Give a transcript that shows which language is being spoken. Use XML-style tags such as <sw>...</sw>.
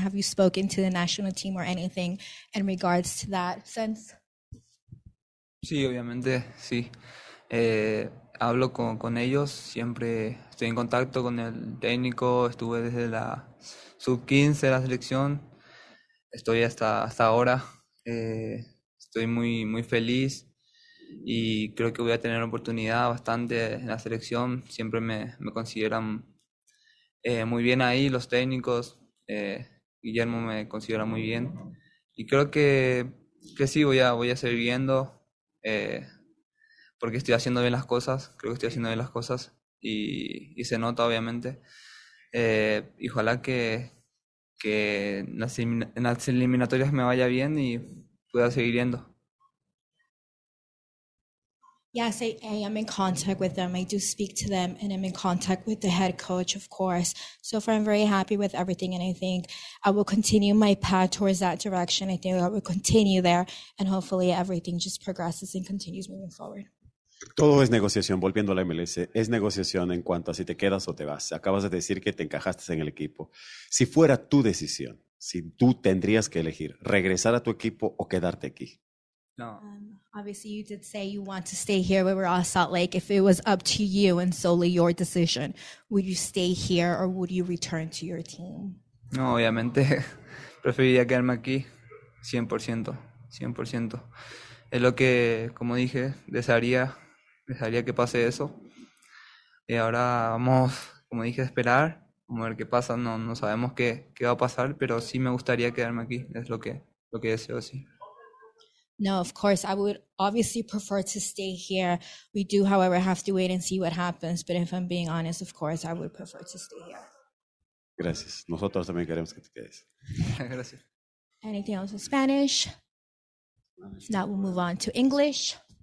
<en>Have you spoken to the national team or anything in regards to that sense?</en> <es>Sí, obviamente, sí. Hablo con ellos, siempre estoy en contacto con el técnico, estuve desde la sub-15 de la selección, estoy hasta ahora, estoy muy, muy feliz y creo que voy a tener oportunidad bastante en la selección, siempre me consideran muy bien ahí los técnicos, Guillermo me considera muy bien y creo que sí, voy a seguir viendo. Porque estoy haciendo bien las cosas, creo que estoy haciendo bien las cosas y se nota obviamente. Y ojalá que en las eliminatorias me vaya bien y pueda seguir yendo.</es> <en>Yes, I am in contact with them. I do speak to them and I'm in contact with the head coach, of course. So far, I'm very happy with everything and I think I will continue my path towards that direction. I think I will continue there and hopefully everything just progresses and continues moving forward.</en> <es>Todo es negociación, volviendo a la MLS, es negociación en cuanto a si te quedas o te vas. Acabas de decir que te encajaste en el equipo. Si fuera tu decisión, si tú tendrías que elegir regresar a tu equipo o quedarte aquí. No.</es> <en>Obviously, you did say you want to stay here where we're all Salt Lake. If it was up to you and solely your decision, would you stay here or would you return to your team?</en> <es>No, obviamente, preferiría quedarme aquí 100%, 100%. Es lo que, como dije, desearía que pase eso. Y ahora vamos como dije, esperar, vamos a ver qué pasa. No sabemos qué va a pasar, pero sí me gustaría quedarme aquí, es lo que deseo, sí.</es> <en>No, of course, I would obviously prefer to stay here. We do, however, have to wait and see what happens. But if I'm being honest, of course, I would prefer to stay here.</en> <es>Gracias. Nosotros también queremos que te quedes. Gracias.</es> <en>Anything else in Spanish? If not, we'll move on to English.</en>